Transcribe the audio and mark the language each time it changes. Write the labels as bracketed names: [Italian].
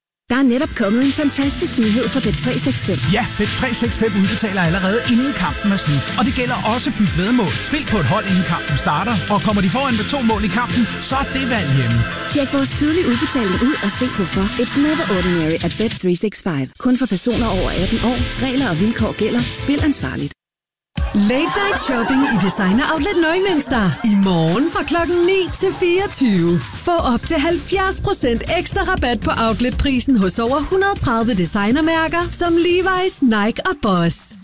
[Danish] Der er netop kommet en fantastisk nyhed fra Bet365. Ja, Bet365 udbetaler allerede inden kampen er slut. Og det gælder også byt vedmål. Spil på et hold, inden kampen starter. Og kommer de foran med to mål i kampen, så er det valg hjemme. Tjek vores tidlige udbetaling ud og se hvorfor. [English] It's never ordinary at Bet365. [Danish] Kun for personer over 18 år. Regler og vilkår gælder. Spil ansvarligt. Late Night Shopping i Designer Outlet Neumünster. I morgen fra klokken 9 til 24. Få op til 70% ekstra rabat på outletprisen hos over 130 designermærker, som Levi's, Nike og Boss.